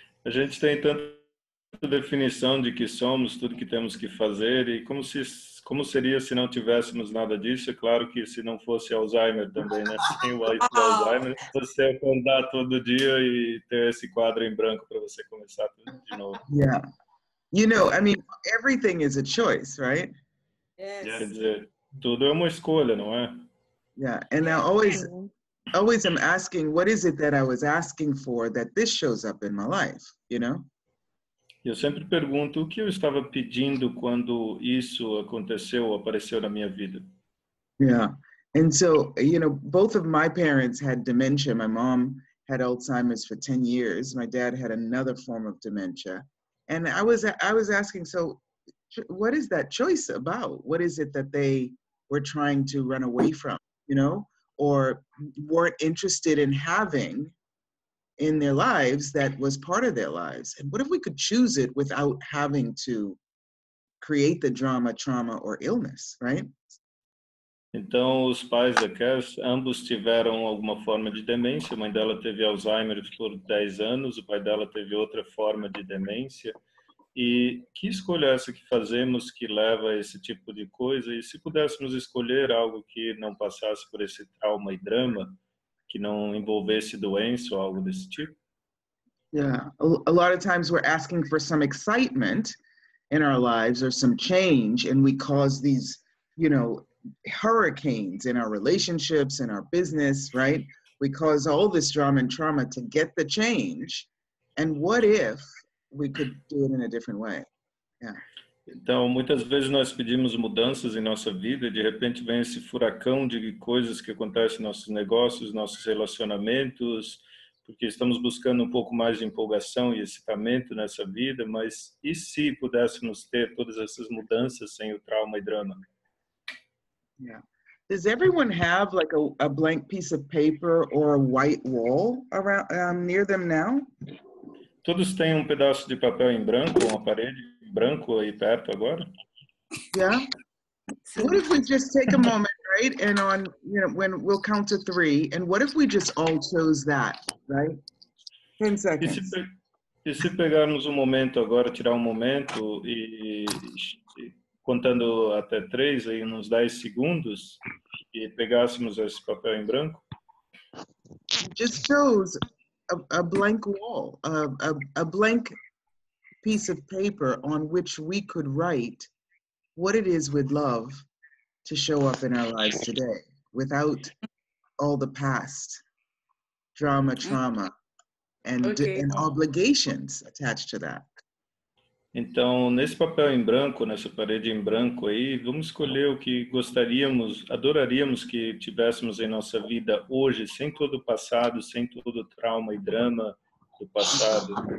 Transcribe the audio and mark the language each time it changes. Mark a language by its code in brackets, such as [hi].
[pt] A gente tem tanta definição de que somos, tudo que temos que fazer, e como seria se não tivéssemos nada disso? É claro que se não fosse Alzheimer também, né? Sem o Alzheimer, você acordar todo dia e ter esse quadro em branco para você começar tudo de novo. [en] Yeah. You know, I mean, everything is a choice, right? Yes. [pt] Quer dizer, tudo é uma escolha, não é? [en] Yeah, and I always am asking, what is it that I was asking for that this shows up in my life, you know? [pt] Eu sempre pergunto, o que eu estava pedindo quando isso aconteceu, apareceu na minha vida? [en] Yeah, and so, you know, both of my parents had dementia. My mom had Alzheimer's for 10 years. My dad had another form of dementia. And I was asking, so what is that choice about? What is it that they were trying to run away from, you know, or weren't interested in having in their lives that was part of their lives? And what if we could choose it without having to create the drama, trauma, or illness, right? [pt] Então, os pais da Cass, ambos tiveram alguma forma de demência. A mãe dela teve Alzheimer por 10 anos, o pai dela teve outra forma de demência. E que escolha essa que fazemos que leva a esse tipo de coisa? E se pudéssemos escolher algo que não passasse por esse trauma e drama, que não envolvesse doença ou algo desse tipo? [en] Yeah, a lot of times we're asking for some excitement in our lives or some change, and we cause these, you know, hurricanes in our relationships, in our business, right? We cause all this drama and trauma to get the change. And what if we could do it in a different way? Yeah. [pt] Então, muitas vezes nós pedimos mudanças em nossa vida e de repente vem esse furacão de coisas que acontecem em nossos negócios, nossos relacionamentos, porque estamos buscando um pouco mais de empolgação e excitamento nessa vida, mas e se pudéssemos ter todas essas mudanças sem o trauma e drama? [en] Yeah. Does everyone have like a blank piece of paper or a white wall around near them now? [pt] Todos têm um pedaço de papel em branco, uma parede em branco aí perto agora? [en] Yeah. So what if we just take a moment, right? And on, you know, when we'll count to three, and what if we just all chose that, right? 10 seconds. [pt] E se pegarmos um momento agora, tirar um momento e contando até três, aí uns 10 segundos, e pegássemos esse papel em branco? [en] Just chose a blank wall, a blank piece of paper on which we could write what it is we'd love to show up in our lives today, without all the past trauma, and obligations attached to that. [pt] Então, nesse papel em branco, nessa parede em branco aí, vamos escolher o que gostaríamos, adoraríamos que tivéssemos em nossa vida hoje, sem todo o passado, sem todo o trauma e drama do passado.